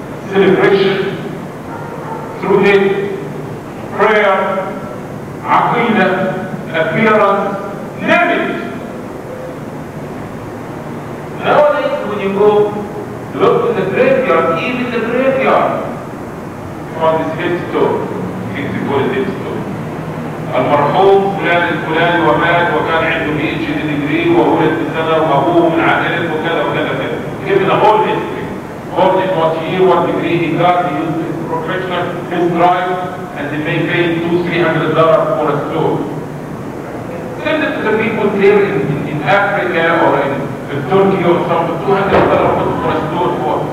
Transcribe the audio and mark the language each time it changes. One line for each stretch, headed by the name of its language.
English: Celebration, through it, prayer, aqeedah, appearance, name it. Nowadays, when you go look in the graveyard, even in the graveyard, from this headstone, it's a good headstone.
Arabic: المرحوم فلان الفلاني ومات وكان عنده 100 ديجري وولد في سنه وابوه من عائلته وكذا وكذا كذا.
English: Given a whole history. All the what year, what degree he got, he used his professional, his drive, and he may pay $200-$300 for a store. Send it to the people there in Africa or in Turkey or something, $200 for a store for.